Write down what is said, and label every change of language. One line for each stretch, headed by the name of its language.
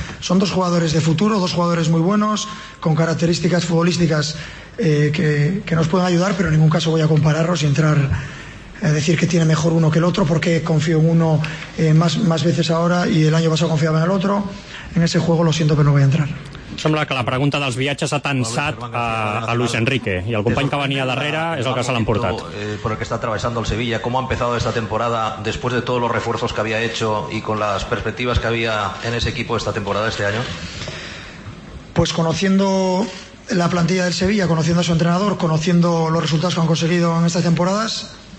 Spanish: Son dos jugadores de futuro, dos jugadores muy buenos, con características futbolísticas que nos pueden ayudar, pero en ningún caso voy a compararlos y entrar... decir que tiene mejor uno que el otro, porque confío en uno más veces ahora y el año pasado confiaba en el otro. En ese juego lo siento, pero no voy a entrar.
Catalan: Sembla que la pregunta dels viatges ha tensat a Luis Enrique, i el company que venia darrere és el que se l'ha emportat.
Spanish: Por el que está atravesando el Sevilla, ¿cómo ha empezado esta temporada después de todos los refuerzos que había hecho y con las perspectivas que había en ese equipo esta temporada, este año? Pues conociendo la plantilla del Sevilla, conociendo a su entrenador, conociendo los resultados que han conseguido en estas temporadas...